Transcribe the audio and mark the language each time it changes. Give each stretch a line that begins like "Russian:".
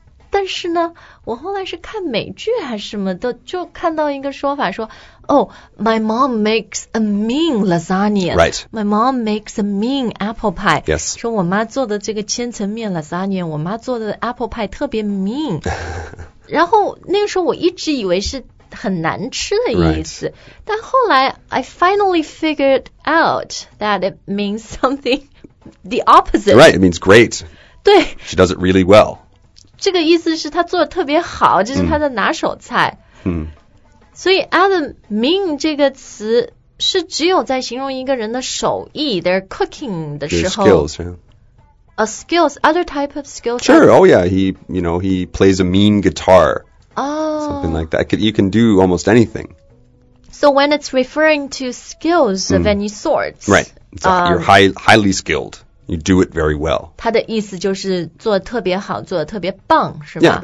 Chinese: 但是呢，我后来是看美剧还是什么的，就看到一个说法说 ,
English: Oh, my mom makes a mean lasagna. Right. My mom makes a mean apple pie. Yes.
Chinese: 说我妈做的这个千层面 lasagna, 我妈做的 apple pie 特别 mean. 然后那个时候我一直以为是很难吃的意思。
English: Right.
Chinese: 但后来
English: I finally figured out that it means something the opposite. Right, it means great.
Chinese: 对。
English: She does it really well.
Chinese: 这个意思是他做的特别好，这是他的拿手菜。所以 Adam, mean 这个词是只有在形容一个人的手艺
English: their cooking
Chinese: 的时候。
English: Skills, yeah. A skills, other type of skills. Sure, oh yeah, he, you know, he plays a mean guitar. Oh. Something like that. You can do almost anything. So when it's referring to skills of any sort. Right, you're highly skilled. You do it very well.
Chinese: 他的意思就是做得特别好，做得特别棒，是吗？